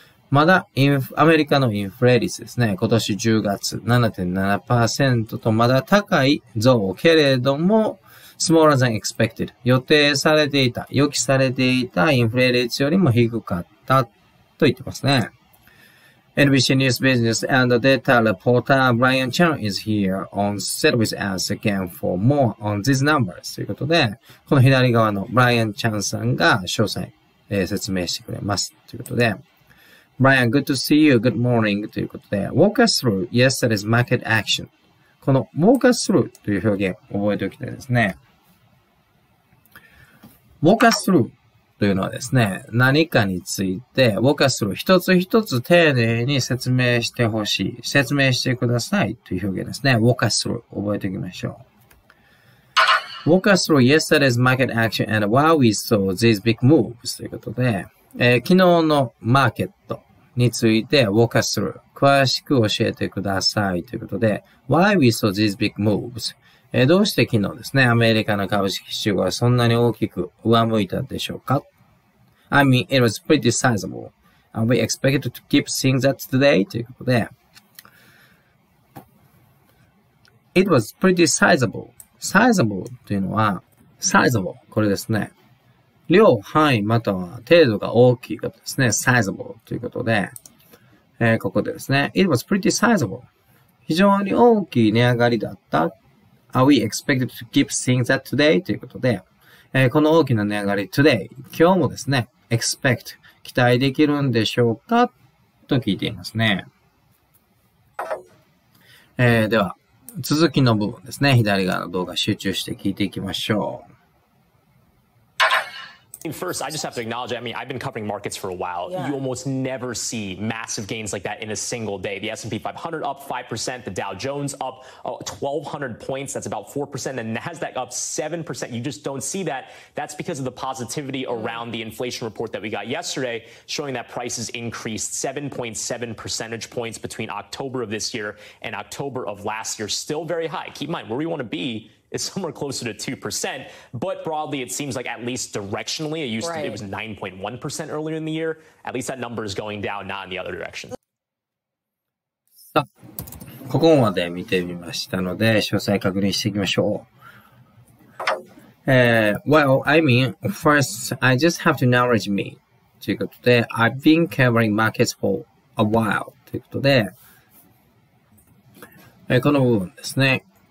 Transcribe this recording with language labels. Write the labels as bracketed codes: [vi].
[ja] まだアメリカのインフレ率ですね。今年10月 7.7% とまだ高い増けれども [en] smaller than expected. [ja] 予定されていた、予期されていたインフレ率よりも低かったと言ってますね。 [en] NBC News Business and Data Reporter Brian Chung is here on set with us again for more on these numbers. [ja] ということで、この左側の Brian Chung さんが詳細、説明してくれます。ということで、 [en] Brian, good to see you. Good morning. [ja] ということで、 [en] Walk us through yesterday's market action. [ja] この [en] Walk us through [ja] という表現を覚えておきたいですね。 [en] Walk us through. [ja] というのはですね、何かについて、ウォーカスルー、一つ一つ丁寧に説明してほしい、説明してくださいという表現ですね。ウォーカスルー、覚えておきましょう。ウォーカスルー、 [en] yesterday's market action and why we saw these big moves [ja] ということで、昨日のマーケットについて、ウォーカスルー、詳しく教えてくださいということで、 [en] why we saw these big moves。 [ja] どうして昨日ですね、アメリカの株式市場はそんなに大きく上向いたでしょうか? [en] I mean, it was pretty sizable. And we expected to keep seeing that today? [ja] ということで。 [en] It was pretty sizable. Sizable [ja] というのは、 [en] sizable [ja] これですね。量、範囲、または程度が大きいことですね。 sizable ということで。ここでですね。 [en] It was pretty sizable. [ja] 非常に大きい値上がりだった。 [en] Are we expected to keep seeing that today? [ja] ということで、この大きな値上がり today、今日もですね、expect、期待できるんでしょうかと聞いていますね。では、続きの部分ですね、左側の動画集中して聞いていきましょう。 [en] First, I just have to acknowledge, I mean, I've been covering markets for a while. Yeah. You almost never see massive gains like that in a single day. The S&P 500 up 5%, the Dow Jones up 1,200 points, that's about 4%, and NASDAQ up 7%. You just don't see that. That's because of the positivity around the inflation report that we got yesterday, showing that prices increased 7.7 percentage points between October of this year and October of last year. Still very high. Keep in mind, where we want to be,It's somewhere closer to 2%, but broadly, it seems like at least directionally, it used to, it was 9.1% earlier in the year. At least that number is going down, not in the other direction. [ja] さあ、ここまで見てみましたので、詳細確認していきましょう。 [en] Well, I mean, first, I just have to acknowledge me. [ja] ということで、 [en] I've been covering markets for a while. [ja] ということで、この部分ですね。